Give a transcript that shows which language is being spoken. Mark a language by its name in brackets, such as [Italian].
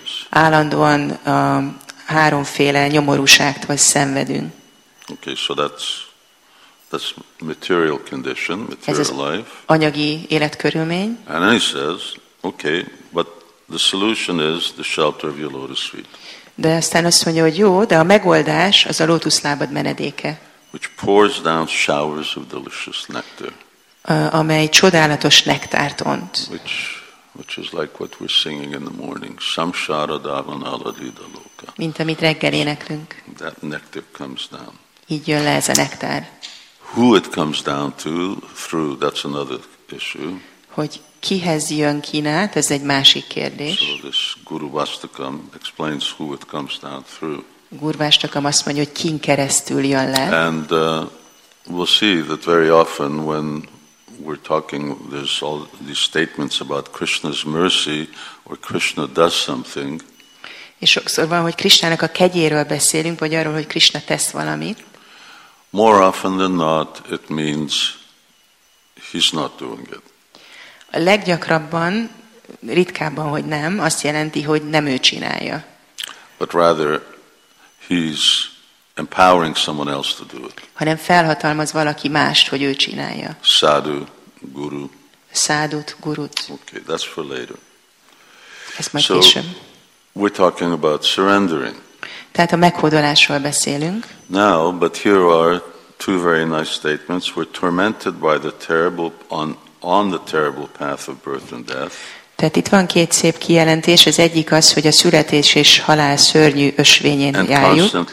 [Hungarian] Állandóan háromféle nyomorúságtól szenvedünk. [English] Okay, so that's material condition, material life. [Hungarian] Anyagi életkörülmény. [English] And then he says, okay, but the solution is the shelter of your lotus feet. [Hungarian] De aztán azt mondja, hogy jó, de a megoldás az a lótuszlábad menedéke. [English] Which pours down showers of delicious nectar. [Hungarian] Amely csodálatos nektárt ont. [English] Which is like what we're singing in the morning. [Sanskrit] Samsara dhavana aladhida loka. [Hungarian] Mint amit reggel éneklünk. [English] That nectar comes down. [Hungarian] Így jön le ez a nektár. [English] Who it comes down to, through, that's another issue. [Hungarian] Hogy kihez jön kínát, ez egy másik kérdés. [English] So this Guru Vastakam explains who it comes down through. [Hungarian] Gurvástakam azt mondja, hogy kin keresztül jön le. [English] And we'll see that very often when we're talking, there's all these statements about Krishna's mercy, or Krishna does something. [Hungarian] És sokszor van, hogy Krishnának a kegyéről beszélünk, vagy arról, hogy Krishna tesz valamit. [English] More often than not, it means he's not doing it. [Hungarian] A leggyakrabban, ritkábban, hogy nem, azt jelenti, hogy nem ő csinálja. [English] But rather, he's empowering someone else to do it. [Hungarian] Hanem felhatalmaz valaki mást, hogy ő csinálja. [Sanskrit] Sadhu, guru. [Hungarian] Sadhut, gurut. [English] Okay, that's for later. [Hungarian] Ez majd később. [English] We're talking about surrendering. [Hungarian] Tehát a meghódolásról beszélünk. [English] Now, but here are two very nice statements. We're tormented by the terrible on the terrible path of birth and death. [Hungarian] Tehát itt van két szép kijelentés. Az egyik az, hogy a születés és halál szörnyű ösvényén járjuk.